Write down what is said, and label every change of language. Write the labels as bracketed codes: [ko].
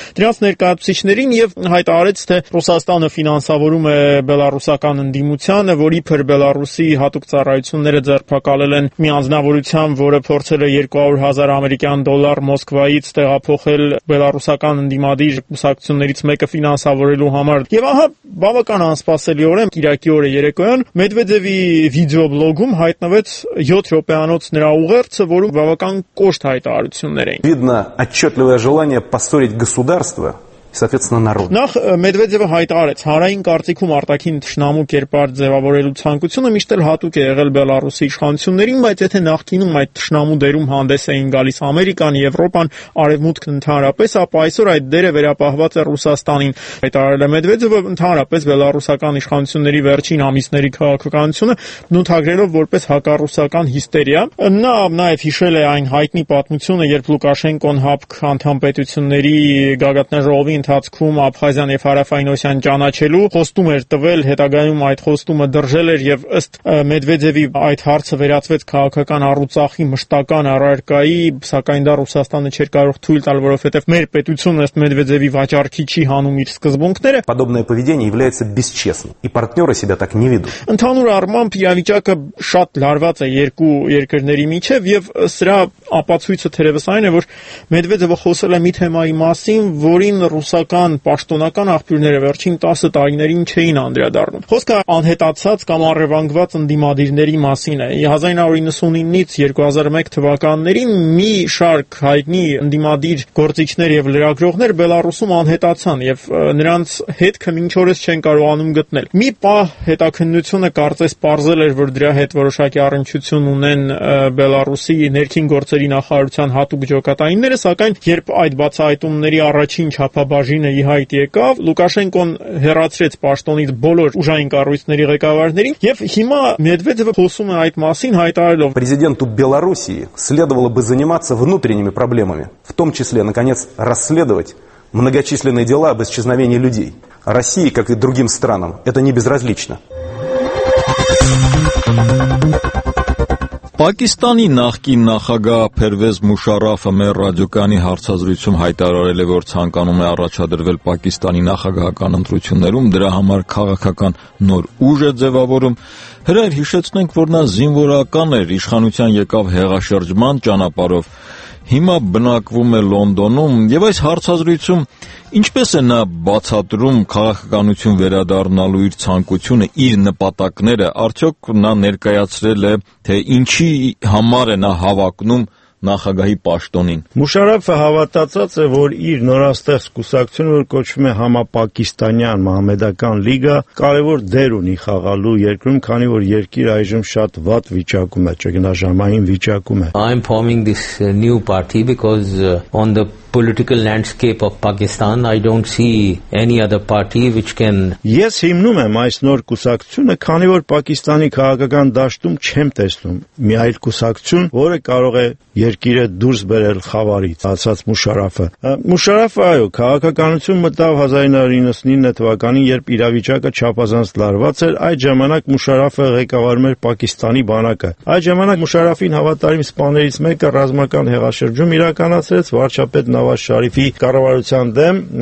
[hy] դրանց ներկայացուցիչներին, և հայտարարեց, թե Ռուսաստանը ֆինանսավորում է բելարուսական ընդդիմությանը, որի փր Բելարուսի հատուկ ծառայությունները ձերբակալել են մի անձնավորությամբ, որը փորձել է 200,000 ամերիկյան դոլար Մոսկվայից տեղափոխել բելարուսական ընդդիմադիր ուսակցություններից մեկը ֆինանսավորելու համար։ Եվ ահա, բավական անսպասելիորեն, կիրակի օրը երեկոյան Մեդվեդևի վիդեոբլոգում հայտնվեց Ռոպեանոց նրա ուղերձը, որում բավական կոշտ հայտարարություններ էին։ [ru] Видно отчётливое желание поссорить государство и, соответственно, народ։ [hy] Նախ Մեդվեդևը հայտարարեց, հարային կարծիքում արտաքին ճշնամու կերպար ձևավորելու ցանկությունը միշտ էլ հատուկ է եղել Բելարուսի իշխանություններին, բայց եթե նախկինում այդ ճշնամու դերում հանդես էին գալիս Ամերիկան, Եվրոպան, Արևմուտքն ընդհանրապես, ապա այսօր այդ դերը վերապահված է Ռուսաստանին։ Հայտարարել է Մեդվեդևը ընդհանրապես բելարուսական իշխանությունների վերջին ամիսների քաղաքականությունը, նույնագրելով որպես հակառուսական հիստերիա։ Նա նաև հիշել է այն հայտնի պատմությունը, երբ Լուկաշենկոն ՀԱՊԿ անդամ պետությունների գագաթնաժողովի ընթացքում Աբխազիան և Հարավային Օսյան ճանաչելու խոստում էր տվել, հետագայում այդ խոստումը դրժել էր, և ըստ Մեդվեդևի այդ հարցը վերածվեց քաղաքական առուծախի մշտական առարկայի, սակայն դա Ռուսաստանը չէր կարող թույլ տալ, որովհետև մեր պետությունը ըստ Մեդվեդևի վաճառքի չի հանում իր սկզբունքները։ [ru] Подобное поведение является бесчестным, и партнёры себя так не ведут։ [hy] Ընդհանուր առմամբ իրավիճակը շատ լարված է երկու երկրների միջև, և սրա ապացույցը թերևս այն է, որ Մեդվեդևը խոսել է մի թեմայի մասին, որին ռուսական պաշտոնական աղբյուրները վերջին 10 տարիներին չէին անդրադառնում։ Խոսքը անհետացած կամ առևանգված ընդդիմադիրների մասին է։ 1999-ից 2001 թվականներին մի շարք հայտնի ընդդիմադիր գործիչներ և լրագրողներ Բելարուսում անհետացան, և նրանց հետքը մինչ օրս չեն կարողանում գտնել։ Մի պահ հետաքննությունը կարծես պարզել էր, որ դրա հետ որոշակի առնչություն ունեն Բելարուսի ներքին գործերի նախարարության հատուկ ջոկատայինները, սակայն երբ այդ բացահայտումների առաջին չափաբաժինը ի հայտ եկավ, Լուկաշենկոն հեռացրեց պաշտոնից բոլոր ուժային կառույցների ղեկավարներին, և հիմա Մեդվեդևը խոսում է այդ մասին հայտարելով. [ru] Президенту Белоруссии следовало бы заниматься внутренними проблемами, в том числе, наконец, расследовать многочисленные дела об исчезновении людей. России, как и другим странам, это не безразлично. [hy] Պակիստանի նախկին նախագահ Փերվեզ Մուշարաֆը մեր ռադիոկանի հարցազրույցում հայտարարել է, որ ցանկանում է առաջադրվել Պակիստանի նախագահական ընտրություններում, դրա համար քաղաքական նոր ուժ է ձևավորում։ Հրայր, հիշեցնենք, որ նա զինվորական էր, իշխանության եկավ հեղաշրջման ճանապարհով, հիմա բնակվում է Լոնդոնում, և այս հարցազրույցում ինչպես է նա բացատրում քաղաքականություն վերադառնալու իր ցանկությունը, իր նպատակները, արդյոք նա ներկայացրել է, թե ինչի համար է նա հավակնում նախագահի պաշտոնին։ Մուշարաֆը հավատացած է, որ իր նորաստեղ զուսակցությունը, որ կոչվում է համապակիստանյան մահմեդական լիգա, կարևոր դեր ունի խաղալու երկրում, քանի որ երկիրը այժմ շատ վատ վիճակում է, ճգնաժամային վիճակում է։ [en] I'm forming this new party because on the political landscape of Pakistan I don't see any other party which can [hy] Yes, հիմնում եմ այս նոր կուսակցությունը, քանի որ Պակիստանի քաղաքական դաշտում չեմ տեսնում մի այլ կուսակցություն, որը կարող է երկիրը դուրս բերել խավարից, ասաց Մուշարաֆը։ Մուշարաֆը, այո, քաղաքականություն մտավ 1999 թվականին, երբ իրավիճակը չափազանց լարված էր, այդ ժամանակ Մուշարաֆը ղեկավարում էր Պակիստանի բանակը։ Այդ ժամանակ Մուշարաֆին հավատարիմ սպաներից մեկը ռազմական հեղաշրջում իրականացրեց վարչապետ Նավազ Շարիֆի կառավարության դեմ,